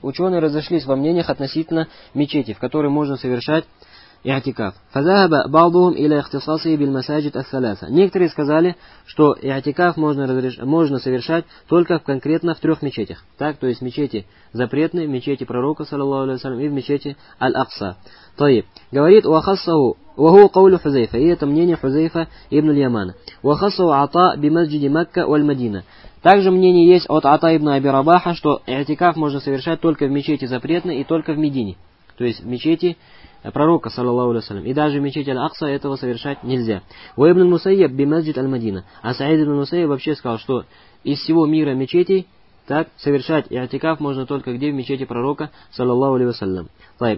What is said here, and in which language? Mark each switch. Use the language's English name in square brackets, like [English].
[Russian] Ученые разошлись во мнениях относительно мечети, в которой можно совершать и'тикаф. [Arabic] «Фазахаба ба'духум иля ихтисаси биль масаджид ас-саляса». [Russian] Некоторые сказали, что и'тикаф можно совершать только конкретно в трех мечетях. Так, то есть мечети запретные, в мечети пророка, саллаллаху алейхи ва саллям, и в мечети Аль-Акса. Тайб. Говорит, «Вахассаху». [Arabic] وهو قول حذيفة هي تمنين حذيفة ابن اليمان وخص عطاء بمسجد مكة والمدينة. [Russian] Также мнение есть от Ата ибн Аби Рабаха, что и'тикаф можно совершать только в мечети запретной и только в Медине, то есть в мечети пророка саллаллаху алейхи ва саллям, и даже в мечети Аль-Акса этого совершать нельзя. [Arabic] У ибн Мусайяб бимасджид Аль-Мадина. [Russian] А Саид ибн Мусайяб вообще сказал, что из всего мира мечетей так совершать и'тикаф можно только где? В мечети пророка, саллаллаху алейхи ва саллям. Тайб.